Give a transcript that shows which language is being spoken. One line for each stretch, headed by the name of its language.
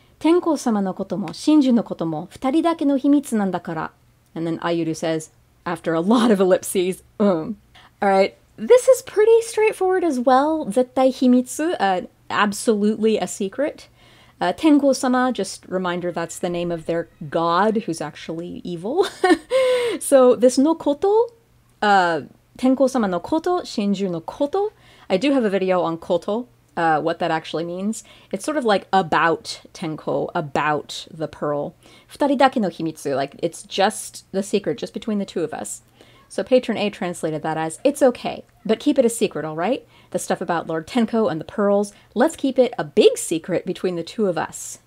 Japanese: 天皇様のことも真珠のことも二人だけの秘密なんだから.
English: And then Ayuru says, after a lot of ellipses, Alright, this is pretty straightforward as well.
Japanese: 絶対秘密,
English: absolutely a secret. 天皇様, just reminder, that's the name of their god, who's actually evil. So this no koto,
Japanese: 天皇様のこと、真珠のこと.
English: I do have a video on koto. What that actually means. It's sort of like about Tenko, about the pearl.
Japanese: 二人だけの秘密,
English: like it's just the secret, just between the two of us. So Patron A translated that as, it's okay, but keep it a secret, all right? The stuff about Lord Tenko and the pearls, let's keep it a big secret between the two of us.